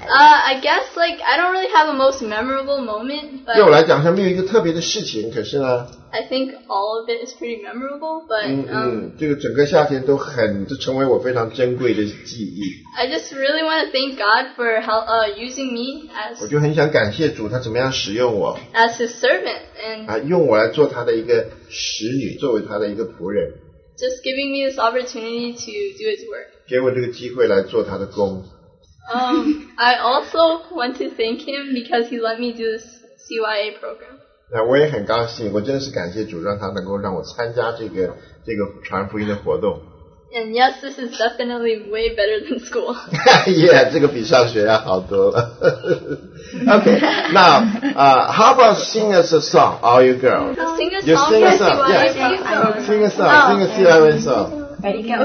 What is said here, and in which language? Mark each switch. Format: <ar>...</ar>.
<en>I guess like I don't really have a most memorable moment, but</en> <zh>对我来讲，好像没有一个特别的事情。可是呢，</zh> <en>I think all of it is pretty memorable, but</en> <zh>这个整个夏天都成为我非常珍贵的记忆。</zh> <en>I just really want to thank God for help, using me as</en> <zh>我就很想感谢主，他怎么样使用我</zh> <en>as His servant and</en> <zh>用我来做他的一个使女，作为他的一个仆人。</zh> <en>just giving me this opportunity to do his work.</en> <zh>给我这个机会来做他的工。</zh> <en>I also want to thank him because he let me do this CYA program.</en> <zh>那我也很高兴，我真的是感谢主，让他能够让我参加这个传福音的活动。</zh> <en>And yes, this is definitely way better than school.</en> <zh>Yeah, 这个比上学要好多了。</zh> <en>Okay, now, how about sing us a song, all you girls? Sing a song. Yeah, sing a song. Sing a CYA song. Ready, go.</en>